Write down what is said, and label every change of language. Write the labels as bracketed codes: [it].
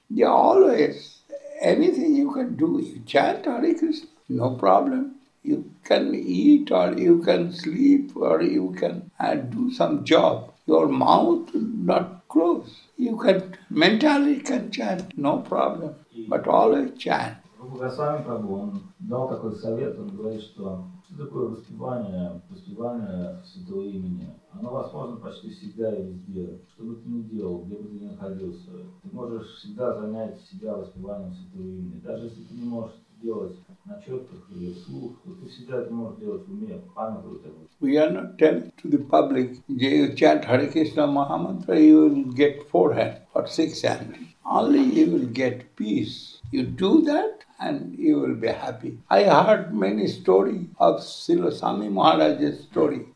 [en] They always, anything you can do, you chant Hare Krishna, no problem. You can eat or you can sleep or you can do some job. Your mouth not close. You can mentally can chant, no problem, but always chant. [ru] Rupa Goswami Prabhu, он дал такой совет, он говорит, что такое воспевание святого имени, оно возможно почти всегда и везде, что бы ты ни делал, где бы ты ни находился, ты можешь всегда занять себя воспеванием святого имени, даже если ты не можешь делать на четках или вслух, то ты всегда это можешь делать в уме, памятуй это. [en] We are not telling to the public, you chant Hare Krishna Maha Mantra, you will get forehead or six hands. Only you will get peace. You do that and you will be happy. I heard many stories of Srila Swami Maharaj's story.